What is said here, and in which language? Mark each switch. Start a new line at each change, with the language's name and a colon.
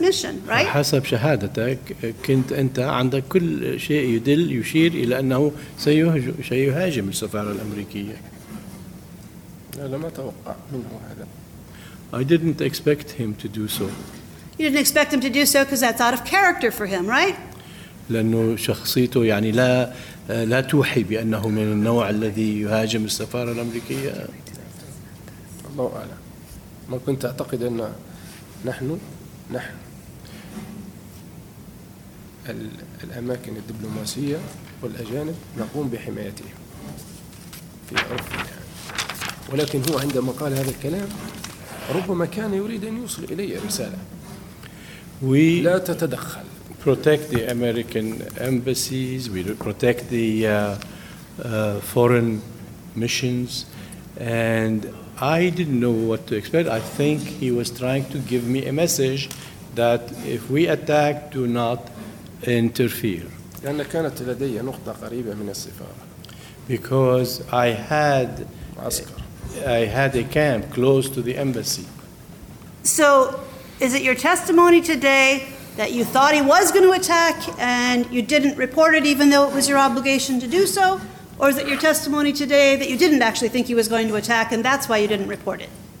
English: mission, right?
Arabic: حسب شهادتك كنت أنت عندك كل شيء يدل يشير إلى أنه سيهاجم السفارة الأمريكية. لا لم أتوقع منه هذا.
English: I didn't expect him to do so. You didn't expect him to do so because that's out of character for him, right?
Arabic: لأنه شخصيته يعني لا توحي بأنه من النوع الذي يهاجم السفارة الأمريكية. الله أعلم. ما كنت أعتقد أن نحن الأماكن الدبلوماسية والأجانب نقوم بحمايته في أوروبا. ولكن هو عندما قال هذا الكلام ربما كان يريد أن يوصل إلي رسالة
English: we
Arabic: لا تتدخل
English: protect the American embassies, we protect the foreign missions, and I didn't know what to expect. I think he was trying to give me a message that if we attack, do not interfere.
Arabic: لأن كانت لدي نقطة قريبة من السفارة.
English: Because I had a camp close to the embassy. So, is it your testimony today that you thought he was going to attack and you didn't report it even though it was your obligation to do so? Or is it your testimony today that you didn't actually think he was going to attack and that's why you didn't report it?